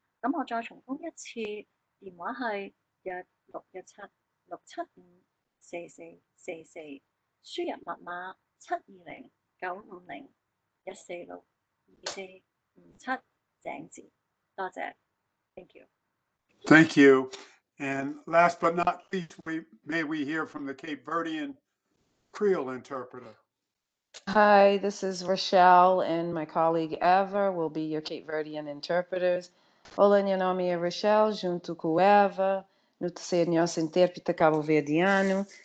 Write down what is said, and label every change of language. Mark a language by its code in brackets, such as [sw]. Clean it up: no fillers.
[yue] 那我再重複一次，電話是16176754444，輸入密碼72095014257井字，多謝。 [en] Thank you. Thank you. And last but not least, may we hear from the Cape Verdean Creole interpreter. Hi, this is Rochelle, and my colleague Eva will be your Cape Verdean interpreters. [pt] Olá, meu nome é Rochelle, junto com Eva, nós somos intérprete cabo-verdiano.